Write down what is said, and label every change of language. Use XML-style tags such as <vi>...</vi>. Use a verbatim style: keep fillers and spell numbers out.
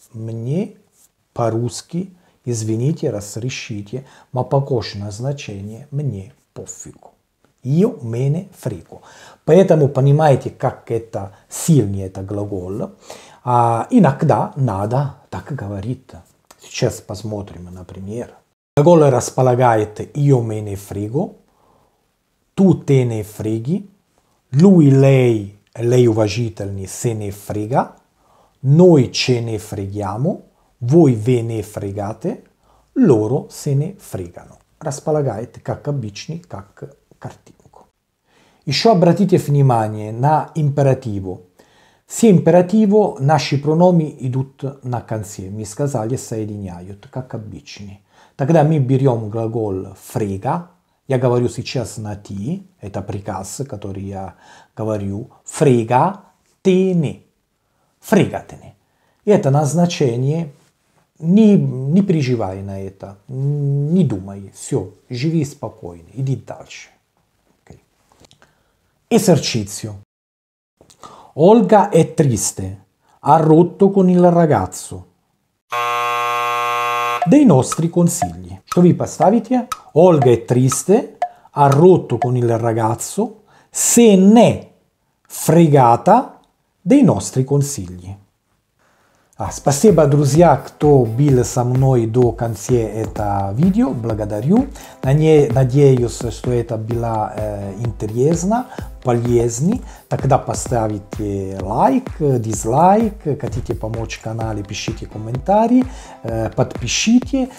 <ru>Мне по-русски, извините, разрешите, но похоже на значение «мне пофигу».</ru> <it>Io me ne frego.</it> <ru>Поэтому понимаете, как это сильный это глагол. А иногда надо так говорить. Сейчас посмотрим, например.</ru> <it>Глагол располагает io me ne frego, tu te ne freghi, lui, lei, lei уважительный, se ne frega, noi ce ne freghiamo, voi ve ne fregate, loro se ne fregano.</it> <ru>Располагает как обычный, как картинку. Еще обратите внимание на императиву. Все императиву наши прономи идут на конце. Мы сказали соединяют, как обычно. Тогда мы берем глагол «фрега». Я говорю сейчас на «ти». Это приказ, который я говорю. «Фрега тене». «Фрегатене». Это назначение. Не, не переживай на это. Не думай. Все. Живи спокойно. Иди дальше.</ru> <it>Esercizio. Olga è triste, ha rotto con il ragazzo. dei nostri consigli.</it> <ru>Što vi postavite?</ru> <it>Olga è triste, ha rotto con il ragazzo, se n'è fregata dei nostri consigli.</it> <ru>А, спасибо, друзья, кто был со мной до конца этого видео. Благодарю. Надеюсь, что это было э, интересно, полезно. Тогда поставите лайк, дизлайк. Хотите помочь каналу, пишите комментарии, э, подпишите.</ru>